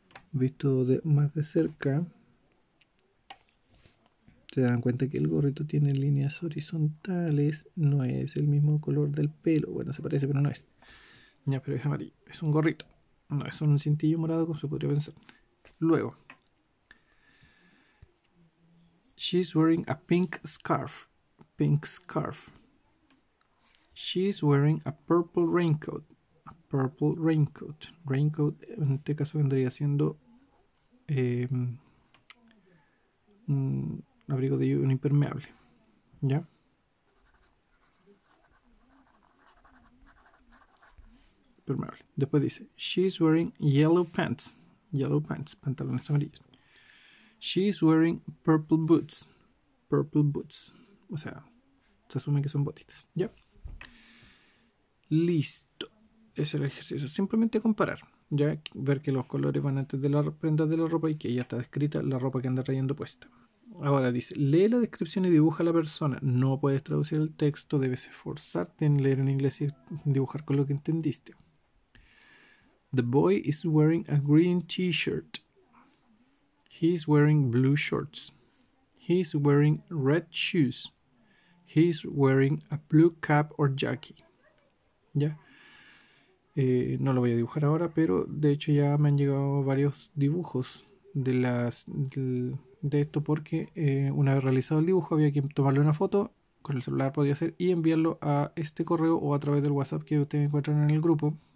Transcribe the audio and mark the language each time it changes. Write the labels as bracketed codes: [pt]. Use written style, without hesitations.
[es] Visto de más de cerca, se dan cuenta que el gorrito tiene líneas horizontales, no es el mismo color del pelo, bueno, se parece, pero no es. Ya, pero es amarillo, es un gorrito, no es un cintillo morado como se podría pensar. [en] Luego, she's wearing a pink scarf, pink scarf. She's wearing a purple raincoat, a purple raincoat. [es] Raincoat en este caso vendría siendo un abrigo de lluvia, un impermeable, ¿ya? Impermeable. Después dice, [en] she's wearing yellow pants, [es] pantalones amarillos. [en] She's wearing purple boots, [es] o sea, se asume que son botitas, ¿ya? Listo, es el ejercicio, simplemente comparar. Ya ver que los colores van antes de la prenda de la ropa y que ya está descrita la ropa que anda trayendo puesta. Ahora dice, lee la descripción y dibuja a la persona. No puedes traducir el texto, debes esforzarte en leer en inglés y dibujar con lo que entendiste. [en] The boy is wearing a green t-shirt. He is wearing blue shorts. He is wearing red shoes. He is wearing a blue cap or jacket. [es] ¿Ya? No lo voy a dibujar ahora, pero de hecho ya me han llegado varios dibujos de esto porque una vez realizado el dibujo había que tomarle una foto con el celular, podría ser, y enviarlo a este correo o a través del WhatsApp que ustedes encuentran en el grupo.